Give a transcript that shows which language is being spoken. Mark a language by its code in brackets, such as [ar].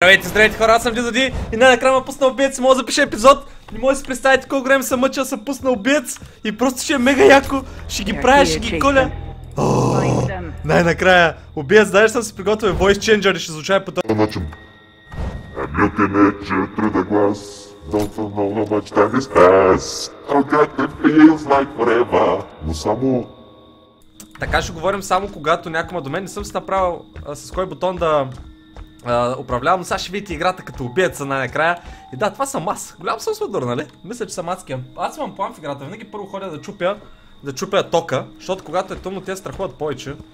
[bg] Здравейте, здравейте хора, аз съм Дидоди и най-накрая ме пусна убиец и мога да запиша епизод. Не може да си представите колко време съм мъчил, съм пусна убиец и просто ще е мега яко. Ще ги правя, ще ги коля. Най-накрая, убиец, даже съм си приготвил voice changer и ще звучава по този начин. [en] I'm looking at your through the glass. Don't know how much time is past. How good it feels like forever. [bg] Но само... Така ще говорим само когато някома до мен. Не съм си направил с кой бутон да... управлявам, но сега ще видите играта като убиеца най-накрая. И да, това съм аз. Голям съм сладур, нали? Мисля, че съм адски. Аз имам план в играта. Винаги първо ходя да чупя тока, защото когато е тъмно, те страхуват повече.